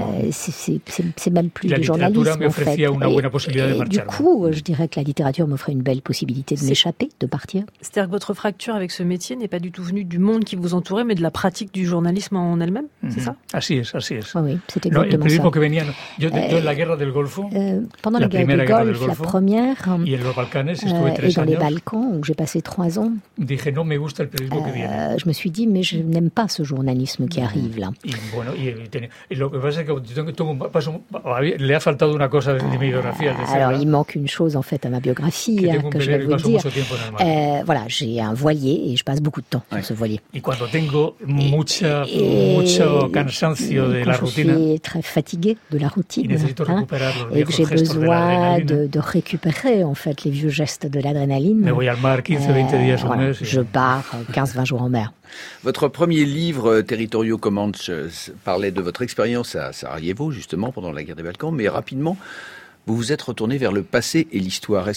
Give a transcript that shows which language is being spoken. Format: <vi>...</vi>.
<fr>C'est même plus du journalisme.</fr> <es>Me ofrecía una buena posibilidad de marcher.</es> <fr>Du coup, je dirais que la littérature m'offrait une belle possibilité de m'échapper, de partir. C'est-à-dire que votre fracture avec ce métier n'est pas du tout venue du monde qui vous entourait, mais de la pratique du journalisme en elle-même, c'est ça?</fr> <es>Así es, así es.</es> <fr>Oui, oui, c'est exactement ça.</fr> <es>Que venía, yo en la guerra del Golfo,</es> <fr>pendant la guerre du Golfe, la première, et dans Balkans, les Balkans, où j'ai passé trois ans,</fr> <es>dije, no me gusta el periodismo que viene.</es> <fr>Je me suis dit, mais je n'aime pas ce journalisme qui arrive là.</fr> <es>Le ha faltado una cosa de mi biografía, de</es> <fr>alors, il manque une chose, en fait, à ma biographie, que je vais vous dire. Voilà, j'ai un voilier et je passe beaucoup de temps sur ce voilier.</fr> <es>Y cuando tengo mucho cansancio de la routine,</es> <fr>je suis très fatigué de la routine, et que j'ai besoin de récupérer, en fait, les vieux gestes de l'adrénaline.</fr> <es>Me voy al mar 15-20 días un mes.</es> <fr>Je pars 15-20 jours en mer. Votre premier livre, Territorio Comanche, parlait de votre expérience à Sarajevo, justement, pendant la guerre des Balkans, mais rapidement, vous vous êtes retourné vers le passé et l'histoire.</fr>